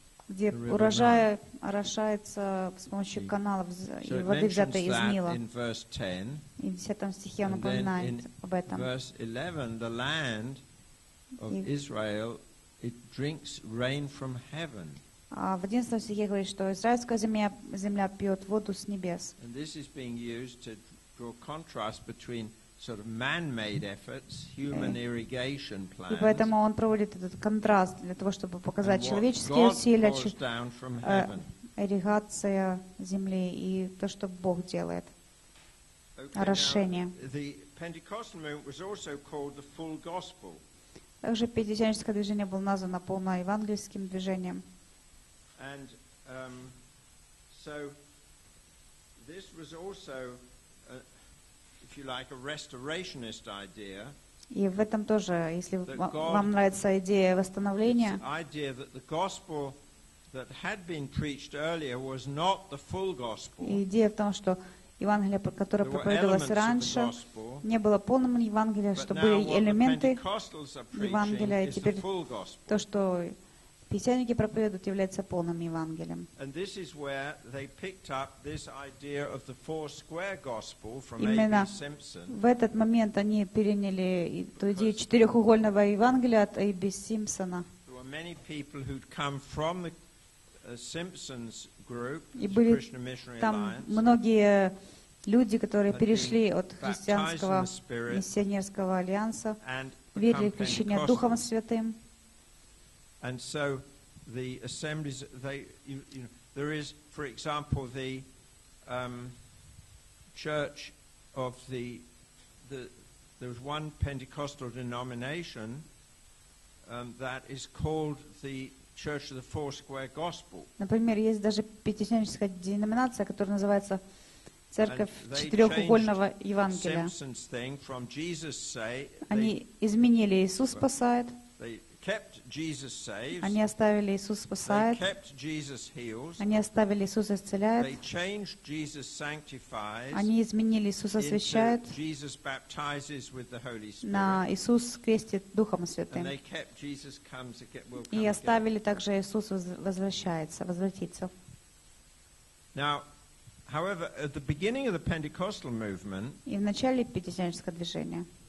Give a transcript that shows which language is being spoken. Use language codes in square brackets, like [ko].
[ru] где урожай орошается с помощью каналов и воды, взятой из Нила. И в 10 стихе он упоминает об этом. [en] Verse 11, the land of Israel, it drinks rain from heaven. [ru] В 11 стихе говорит, что израильская земля пьет воду с небес. [en] And this is being used to draw contrast between sort of man-made efforts, human irrigation plans. [ru] И поэтому он проводит этот контраст для того, чтобы показать человеческие усилия, ирригация земли и то, что Бог делает. Орошение. [en] The Pentecostal movement was also called the full gospel. [ru] Также пятидесятническое движение было названо полноевангельским движением. [en] And so this was also like a restorationist idea. [ru] И в этом тоже, если вам нравится идея восстановления. [en] The idea that the gospel that had been preached earlier was not the full gospel. [ru] Идея в том, что Евангелие, которое проповедовалось раньше, не было полным Евангелием, что были элементы Евангелия, и теперь то, что пятидесятники проповедуют, является полным Евангелием. [en] And this is where they picked up this idea of the four square gospel from [ru] именно [en] A.B. Simpson. [ru] В этот момент они переняли ту идею четырехугольного Евангелия от А.Б. Симпсона. [en] There were many people who'd come from the Simpsons group, [ru] и были [en] Christian Missionary [ru] там [en] Alliance, [ru] многие люди, которые перешли от христианского миссионерского альянса, верили в крещение Духом Святым. [en] And so the assemblies, there is, for example, the church of there was one Pentecostal denomination that is called the Church of the Four Square Gospel. [ru] Например, есть даже пятидесятническая деноминация, которая называется Церковь четырехугольного Евангелия. [en] Simpson's thing from Jesus say, [ru] они изменили Иисус спасает. [en] Kept Jesus saves. [ru] Они оставили Иисус спасает. [en] They kept Jesus heals. [ru] Они оставили Иисус исцеляет. [en] They changed Jesus sanctifies. [ru] Они изменили Иисус освящает. [en] Jesus baptizes with the Holy Spirit. [ru] На Иисус крестит Духом Святым. [en] And they kept Jesus comes again. [ru] И оставили также Иисус возвращается, возвратится. [en] Now, However, at the beginning of the Pentecostal movement, [ru] и в начале пятидесятнического движения,